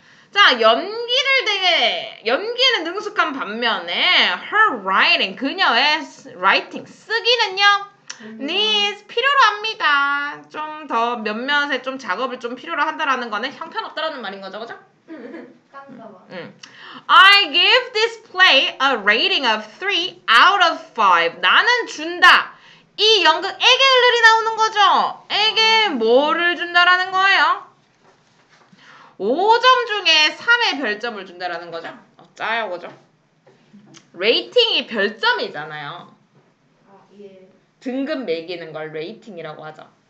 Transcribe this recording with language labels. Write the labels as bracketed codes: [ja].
[ko] 자, 연기를 되게, 연기는 능숙한 반면에 [en] her writing, [ko] 그녀의 writing, 쓰기는요. needs 필요로 합니다. 좀 더 몇몇에 좀 작업을 좀 필요로 한다라는 거는 형편없다라는 말인 거죠, 그죠? 깜짝아. [en] I give this play a rating of 3 out of 5. [ko] 나는 준다. 이 연극 에겔르리 나오는 거죠. 에게 뭐를 준다라는 거예요? 5점 중에 3의 별점을 준다라는 거죠. 어, 짜요, 그죠? 레이팅이 별점이잖아요. 등급 매기는 걸 레이팅이라고 하죠.